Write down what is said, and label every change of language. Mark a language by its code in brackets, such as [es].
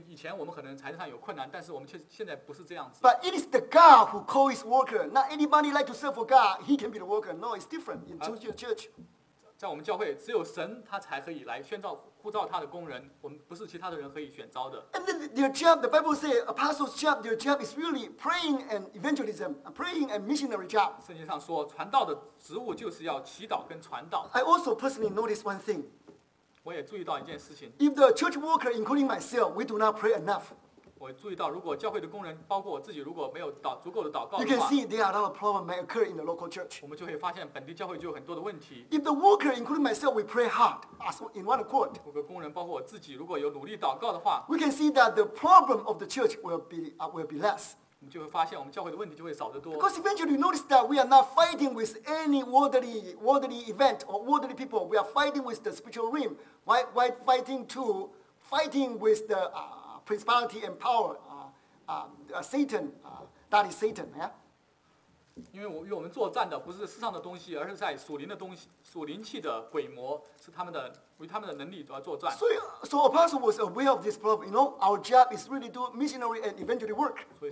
[zh] 并不是因为我们没有这个财政的能力，因为以前我们可能财政上有困难，但是我们却现在不是这样子。 [en] But it is the God who calls his worker. Not anybody like to serve for God. He can be the worker. No, it's different in the church. [zh] 在我们教会，只有神他才可以来宣召呼召他的工人，我们不是其他的人可以选召的。 [en] And then their job, the Bible says, apostles' job, their job is really praying and evangelism, praying and missionary job. [zh] 圣经上说，传道的职务就是要祈祷跟传道。 [en] I also personally noticed one thing. [zh] 我也注意到一件事情。 [en] If the church worker, including myself, we do not pray enough. [zh] 我注意到，如果教会的工人，包括我自己，如果没有足够的祷告的话， [en] You can see there are a lot of problems may occur in the local church. [zh] 我们就会发现本地教会就有很多的问题。 [en] If the worker, including myself, we pray hard, as in one accord. [zh] 如果工人包括我自己，如果有努力祷告的话， [en] We can see that the problem of the church will be less. [zh] 我们就会发现我们教会的问题就会少得多。 [en] Because eventually you notice that we are not fighting with any worldly event or worldly people. We are fighting with the spiritual realm. Why fighting with the principality and power, Satan, that is Satan, yeah? [zh] 因为与我们作战的不是世上的东西，而是在属灵的东西，属灵气的鬼魔，是他们的，为他们的能力而作战。 [en] So apostle was aware of this problem, you know, our job is really do missionary and evangelist work.